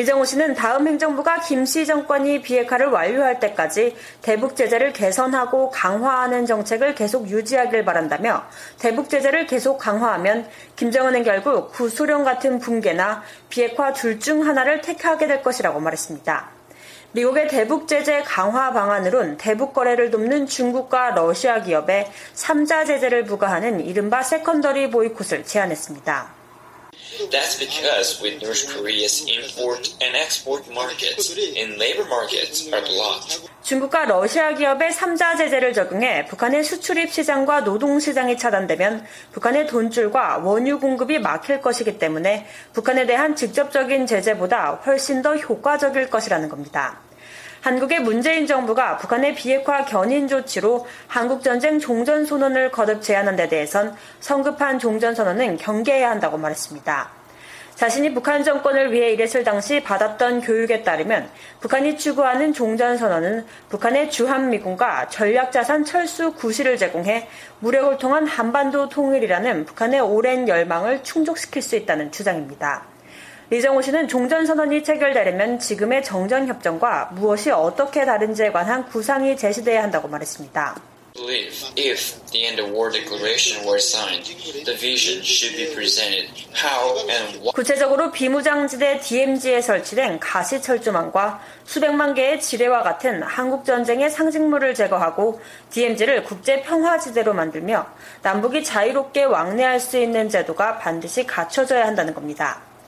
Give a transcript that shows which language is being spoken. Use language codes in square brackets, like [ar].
[ko] 리정호 씨는 다음 행정부가 김 씨 정권이 비핵화를 완료할 때까지 대북 제재를 개선하고 강화하는 정책을 계속 유지하길 바란다며 대북 제재를 계속 강화하면 김정은은 결국 구소련 같은 붕괴나 비핵화 둘 중 하나를 택하게 될 것이라고 말했습니다. 미국의 대북 제재 강화 방안으론 대북 거래를 돕는 중국과 러시아 기업에 3자 제재를 부과하는 이른바 세컨더리 보이콧을 제안했습니다. [en] That's because with North Korea's import and export markets and labor markets are blocked. [ko] 중국과 러시아 기업의 3자 제재를 적용해 북한의 수출입 시장과 노동 시장이 차단되면 북한의 돈줄과 원유 공급이 막힐 것이기 때문에 북한에 대한 직접적인 제재보다 훨씬 더 효과적일 것이라는 겁니다. 한국의 문재인 정부가 북한의 비핵화 견인 조치로 한국전쟁 종전선언을 거듭 제안한 데 대해선 성급한 종전선언은 경계해야 한다고 말했습니다. 자신이 북한 정권을 위해 일했을 당시 받았던 교육에 따르면 북한이 추구하는 종전선언은 북한의 주한미군과 전략자산 철수 구실을 제공해 무력을 통한 한반도 통일이라는 북한의 오랜 열망을 충족시킬 수 있다는 주장입니다. 리정호 씨는 종전선언이 체결되려면 지금의 정전협정과 무엇이 어떻게 다른지에 관한 구상이 제시돼야 한다고 말했습니다. [en] If the end of war declaration were signed, the vision should be presented how and why. [ko] 구체적으로 비무장지대 DMZ에 설치된 가시철조망과 수백만 개의 지뢰와 같은 한국전쟁의 상징물을 제거하고 DMZ를 국제평화지대로 만들며 남북이 자유롭게 왕래할 수 있는 제도가 반드시 갖춰져야 한다는 겁니다.